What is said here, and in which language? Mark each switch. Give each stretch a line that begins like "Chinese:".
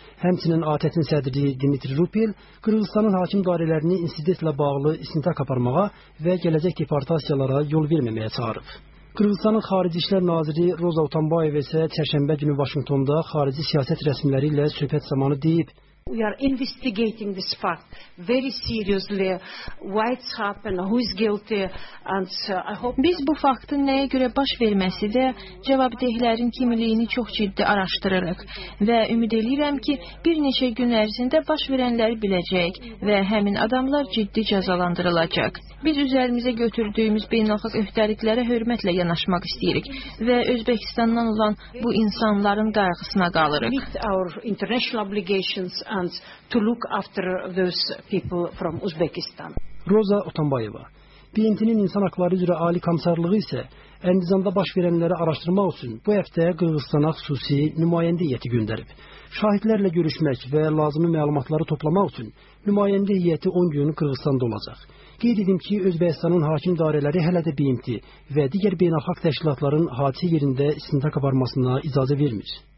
Azerbaijani: Həmçinin ATƏT-in sədri Dimitri Rupil, Qırğızistanın hakim dairələrini insidentlə bağlı istintaq aparmağa və gələcək deportasiyalara yol verməməyə çağırıb. Qırğızistanın Xarici İşlər Naziri Roza Otambayev isə çərşənbə günü Vaşinqtonda xarici siyasət rəsmiləri ilə söhbət zamanı deyib,
English: We are investigating this fact very seriously. What's happened? Who is guilty? And so I hope.
Azerbaijani: Biz bu faktın nəyə görə baş verməsi də cavabdehlərin kimliyini çox ciddi araşdırırıq və ümid edirəm ki, bir neçə gün ərzində baş verənləri biləcək və həmin adamlar ciddi cəzalandırılacaq. Biz üzərimizə götürdüyümüz beynəlxalq öhdəliklərə hörmətlə yanaşmaq istəyirik və Özbekistandan olan bu insanların qayğısına qalırıq.
English: With our international obligations and to look after those people from Uzbekistan.
Azerbaijani: Roza Otambayeva. BMT-nin insan haqları üzrə ali komissarlığı isə Əndizanda baş verənləri araşdırmaq üçün bu həftə Qırğızistana xüsusi nümayəndə heyəti göndərib. Şahidlərlə görüşmək və lazımi məlumatları toplamaq üçün nümayəndə heyəti 10 gün Qırğızistanda olacaq. Qeyd edim ki, Özbekistanın hakim dairələri hələ də BMT və digər beynəlxalq təşkilatların hadisə yerində istintaq aparmasına icazə vermir.